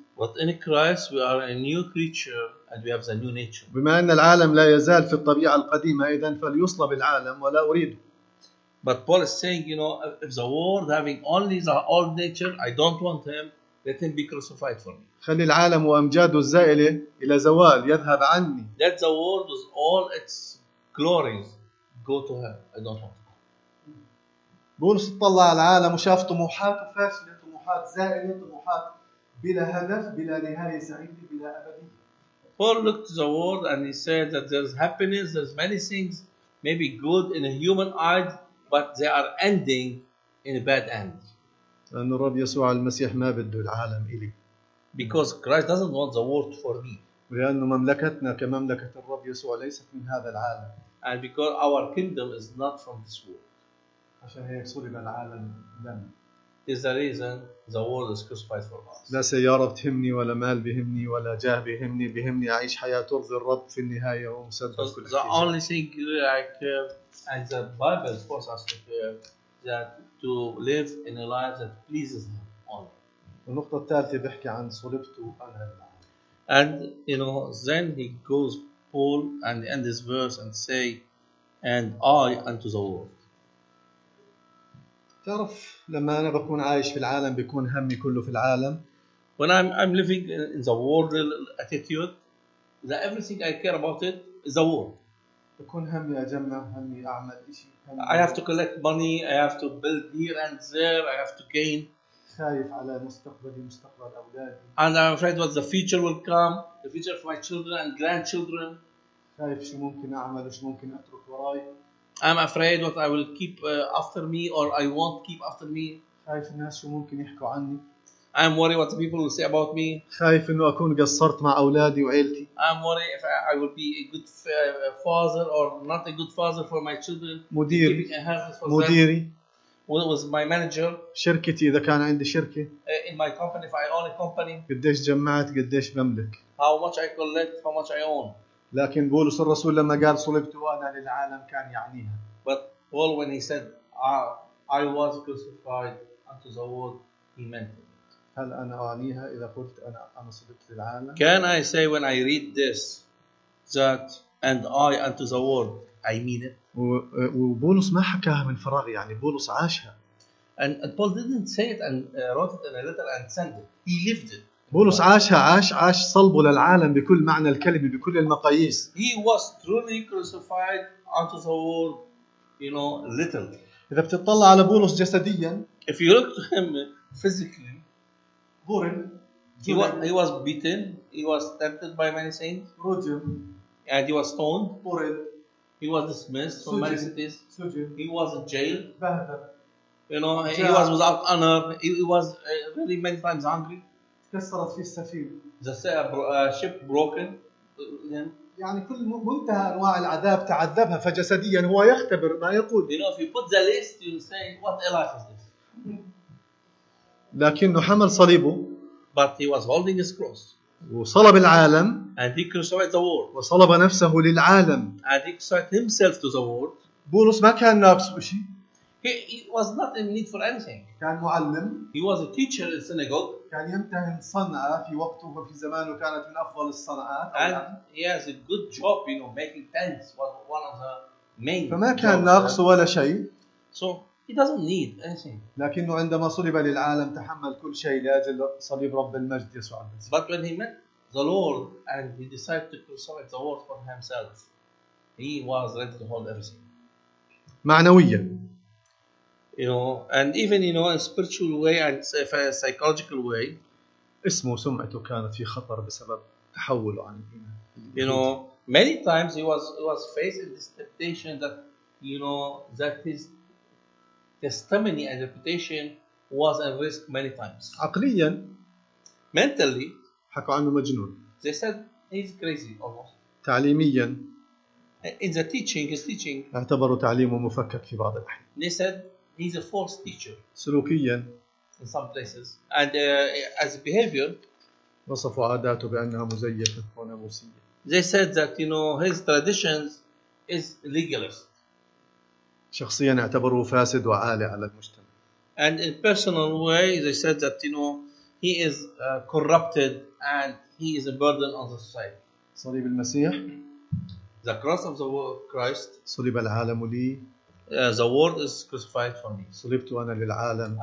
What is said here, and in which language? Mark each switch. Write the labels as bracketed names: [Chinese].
[English] But in Christ we are a new creature and we have the new nature. [Arabic] بما أن العالم لا يزال في الطبيعة القديمة إذن فليصلب العالم ولا أريده. [English] But Paul is saying, you know, if the world having only the old nature, I don't want him. Let him be crucified for me. [Arabic] خلي العالم وأمجاده الزائلة إلى زوال يذهب عني. [English] Let the world with all its glories go to her. I don't want to. [Arabic] بولس اطلع على العالم وشاف طموحات فاشلة, طموحات زائلة, طموحات بلا هدف, بلا نهاية سعيدة, بلا أبدية. [English] Paul looked to the world and he said that there's happiness, there's many things, maybe good in a human eye, but they are ending in a bad end. [Arabic] لأن الرب يسوع المسيح ما بده العالم إلي. [English] Because Christ doesn't want the world for me. [Arabic] لأن مملكتنا كمملكة الرب يسوع ليست من هذا العالم. [English] And because our kingdom is not from this world. [Arabic] عشان هيك صلب العالم لنا. [English] Is the reason the world is crucified for us. [Arabic] لا سيارة بتهمني ولا مال بهمني ولا جاه بهمني, بهمني أعيش حياة ترضي الرب في النهاية ومسدد [English] so [Arabic] كل شيء. [English] The only thing I care and the Bible forces us to care that to live in a life that pleases him only. [Arabic] النقطة الثالثة بحكي عن صلبته أنا العالم. [English] And you know, then he goes Paul and end this verse and say, and I unto the world. [Arabic] تعرف لما أنا بكون عايش في العالم بيكون همي كله في العالم. [English] When I'm living in the worldly attitude, that everything I care about it is the world. [Arabic] بكون همي أجمع, همي أعمل إشي. [English] I have to collect money, I have to build here and there, I have to gain. [Arabic] خايف على مستقبلي, مستقبل أولادي. [English] And I'm afraid what the future will come, the future of my children and grandchildren. [Arabic] خايف شو ممكن أعمل وشو ممكن أترك وراي. [English] I'm afraid what I will keep after me or I won't keep after me. [Arabic] خايف الناس شو ممكن يحكوا عني. [English] I'm worried what the people will say about me. [Arabic] خايف إنه أكون قصرت مع أولادي وعيلتي. [English] I'm worried if I will be a good father or not a good father for my children. [Arabic] مدير. مديري. [English] What was my manager? [Arabic] شركتي إذا كان عندي شركة. [English] In my company if I own a company. [Arabic] قديش جمعت قديش بملك. [English] How much I collect, how much I own. [Arabic] لكن بولس الرسول لما قال صلبت وأنا للعالم كان يعنيها. [English] But Paul when he said I was crucified unto the world, he meant it. [Arabic] هل أنا أعنيها إذا قلت أنا صلبت للعالم؟ [English] Can I say when I read this that and I unto the world I mean it? [Arabic] وبولس ما حكاها من فراغ, يعني بولس عاشها. [English] And Paul didn't say it and wrote it in a letter and sent it. He lived it. [Arabic] بولس عاشها, عاش صلبه للعالم بكل معنى الكلمة, بكل المقاييس. [English] He was truly crucified unto the world, you know, literally. [Arabic] إذا بتطلع على بولس جسديا, [English] if you look to him physically, Purim. He was beaten. He was tempted by many saints. Rojim. And he was stoned. Purim. He was dismissed from many cities. Sujim. He was in jail. Bahadur. You know, he was without honor. He was really many times hungry. [Arabic] تكسرت في السفينة. [English] The ship broken. [Arabic] يعني كل منتهى أنواع العذاب تعذبها فجسديا هو يختبر ما يقول. [English] You know, if you put the list, you say, what a life is this? [Arabic] لكنه حمل صليبه. [English] But he was holding his cross. [Arabic] وصلب العالم. [English] And he crucified the world. [Arabic] وصلب نفسه للعالم. [English] And he crucified himself to the world. [Arabic] بولس ما كان ناقص بشيء. [English] He was not in need for anything. [Arabic] كان معلم. [English] He was a teacher in synagogue. [Arabic] كان يمتهن صنعة في وقته وفي زمانه كانت من أفضل الصنعات. [English] And he has a good job, you know, making tents was one of the main. [Arabic] فما كان ناقص ولا شيء. [English] So he doesn't need anything. [Arabic] لكنه عندما صلب للعالم تحمل كل شيء لأجل صليب رب المجد يسوع المسيح. [English] But when he met the Lord and he decided to crucify the world for himself, he was ready to hold everything. [Arabic] معنويا. [English] You know, and even you know, in a spiritual way and a psychological way. [Arabic] اسمه سمعته كانت في خطر بسبب تحوله عن الإيمان. [English] You know, many times he was facing this temptation that you know that his testimony and reputation was at risk many times. [Arabic] عقليا. [English] Mentally. [Arabic] حكوا عنه مجنون. [English] They said he's crazy almost. [Arabic] تعليميا. [English] In the teaching, his teaching. [Arabic] اعتبروا تعليمه مفكك في بعض الأحيان. [English] They said. He's a false teacher. [Arabic] سلوكيا. [English] In some places. And as a behavior. [Arabic] وصفوا عاداته بأنها مزيفة وناموسية. [English] They said that you know his traditions is legalist. [Arabic] شخصيا اعتبروه فاسد وعالي على المجتمع. [English] And in personal way they said that you know he is corrupted and he is a burden on the society. [Arabic] صليب المسيح. [English] The cross of the Christ. [Arabic] صليب العالم لي. [English] The world is crucified for me. [Arabic] صلبت أنا للعالم.